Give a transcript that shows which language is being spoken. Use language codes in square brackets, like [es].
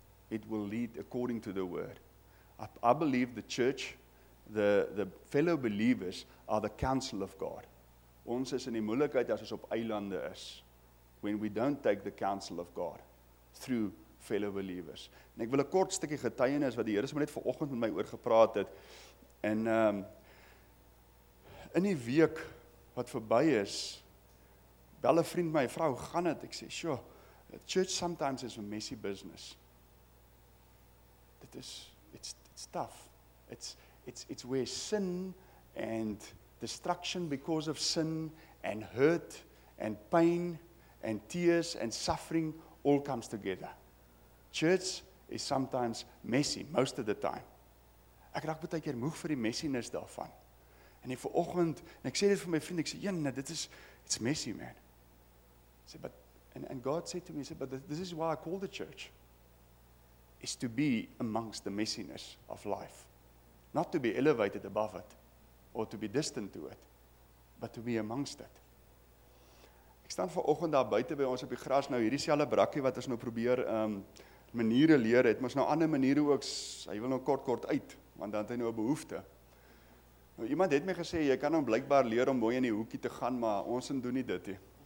[en] It will lead according to the word. I believe the church, the fellow believers, are the counsel of God. [af] Ons is in die moeilikheid as ons op eilande is, [en] when we don't take the counsel of God through fellow believers. [af] En ek wil 'n kort stukkie getuienis wat die Here sommer net vanoggend met my oor gepraat het. En in die week wat verby is, bel 'n vriend my, vrou, gaan dit? Ek sê, [en] sure, church sometimes is a messy business. [af] Dit is, [en] it's tough. It's where sin and destruction because of sin and hurt and pain and tears and suffering all comes together. Church is sometimes messy, most of the time. [af] Ek raak baie keer moeg vir die messiness daarvan. En die vooroggend, en ek sê dit vir my vriend, ek sê, nou, dit is, [en] it's messy, man. I said, but God said to me, but this is why I call the church, is to be amongst the messiness of life. Not to be elevated above it, or to be distant to it, but to be amongst it. [af] Ek staan vanoggend daar buite by ons op die gras, nou hierdie selfe brakkie wat ons nou probeer maniere leer het, maar is nou ander maniere ook, hy wil nou kort uit, want dan het hy nou 'n behoefte. Nou iemand het my gesê, jy kan hom blykbaar leer om mooi in die hoekie te gaan, maar ons doen nie dit nie.